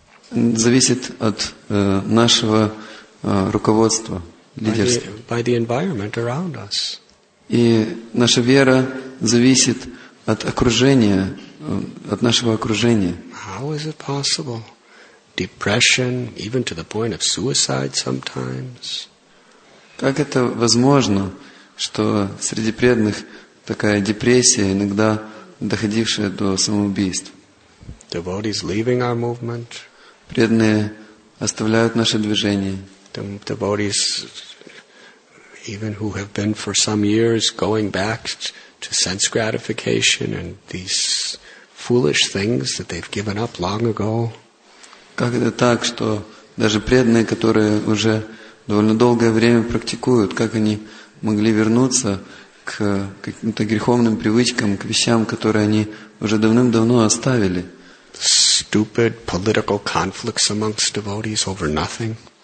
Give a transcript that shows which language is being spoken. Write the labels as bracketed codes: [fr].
[ru] Зависит от нашего руководства, лидерства. [en] By the environment around us. [ru] И наша вера зависит от окружения, от нашего окружения. [en] How is it possible? Depression, even to the point of suicide sometimes. [ru] Как это возможно, что среди преданных такая депрессия, иногда доходившая до самоубийств? [en] Devotees leaving our movement. [ru] Преданные оставляют наше движение. [en] Devotees, even who have been for some years going back to sense gratification and these foolish things that they've given up long ago. [ru] Как это так, что даже преданные, которые уже довольно долгое время практикуют, как они могли вернуться к каким-то греховным привычкам, к вещам, которые они уже давным-давно оставили? [en] Stupid political conflicts amongst devotees over nothing.